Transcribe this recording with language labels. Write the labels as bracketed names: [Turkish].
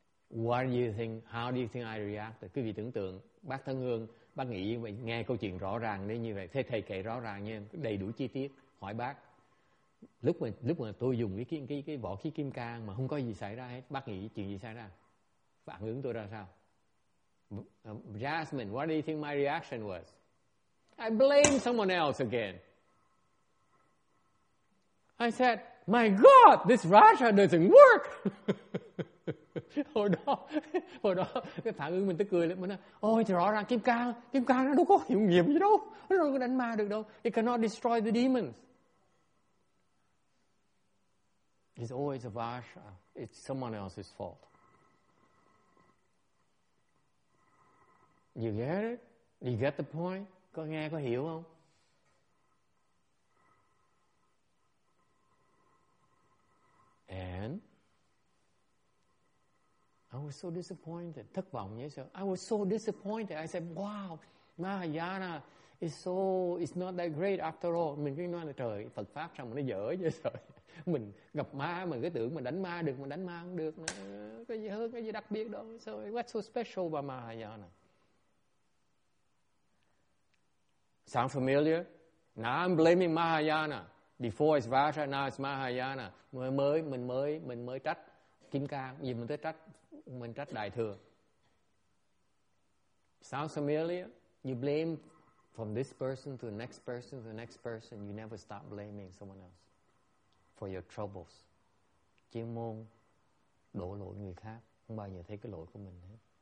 [English] What do you think? How do you think I reacted? [Vietnamese] Quý vị tưởng tượng, bác thân hương, bác nghĩ vậy, nghe câu chuyện rõ ràng đấy, như vậy thế thầy kể rõ ràng nha, đầy đủ chi tiết. Hỏi bác lúc mà tôi dùng cái vỏ khí kim cang mà không có gì xảy ra hết, bác nghĩ chuyện gì xảy ra, phản ứng tôi ra sao? [English] Jasmine, what do you think my reaction was? I blame someone else again. I said, my God, this Vajra doesn't work. [Vietnamese] Hồi đó cái phản ứng mình tức cười lên, mình nói ôi rõ ràng kim cang nó đâu có hiệu nghiệm gì đâu, nó đâu có đánh ma được đâu. [English] It cannot destroy the demons. It's always a Vajra. It's someone else's fault. You get it? You get the point? [Vietnamese] Có nghe có hiểu không? [English] And I was so disappointed. [Vietnamese] Thất vọng nhé. [English] So I was so disappointed. I said, wow, Mahayana is so, it's not that great after all. [Vietnamese] Mình cứ nói là trời, Phật Pháp sao mà nó dở vậy trời. Mình gặp ma, mình cứ tưởng mình đánh ma được, mình đánh ma không được. Cái gì hơn, cái gì đặc biệt đâu. [English] So what's so special about Mahayana? Sound familiar? Now I'm blaming Mahayana. Before it's Vajra, now it's Mahayana. [Vietnamese] Mình mới trách Kim Cang. Vì mình tới trách, mình trách Đại Thừa. [English] Sounds familiar? You blame from this person to the next person to the next person. You never stop blaming someone else for your troubles. [Vietnamese] Chuyên môn đổ lỗi người khác, không bao giờ thấy cái lỗi của mình hết.